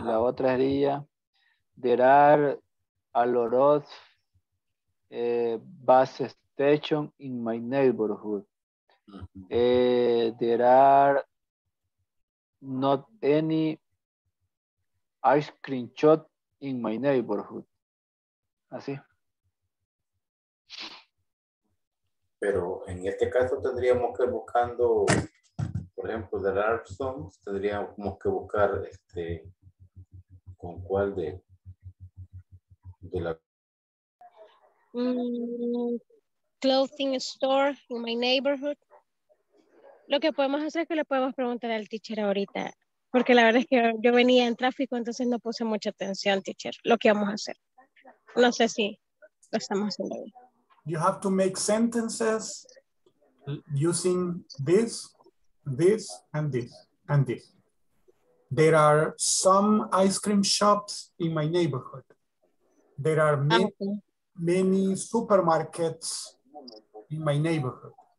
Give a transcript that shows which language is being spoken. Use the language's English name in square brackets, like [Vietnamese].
[Spanish] La otra sería, [English] there are a lot of bus station in my neighborhood. There are not any ice cream shop in my neighborhood. [Spanish] Así. Pero en este caso tendríamos que ir buscando, por ejemplo, de Larson, tendríamos que buscar este, con cuál de la. [English] Clothing store in my neighborhood. [Spanish] Lo que podemos hacer es que le podemos preguntar al teacher ahorita, porque la verdad es que yo venía en tráfico, entonces no puse mucha atención, teacher, lo que vamos a hacer. No sé si lo estamos haciendo bien. [English] You have to make sentences using this, this, and this, and this. There are some ice cream shops in my neighborhood. There are many supermarkets in my neighborhood.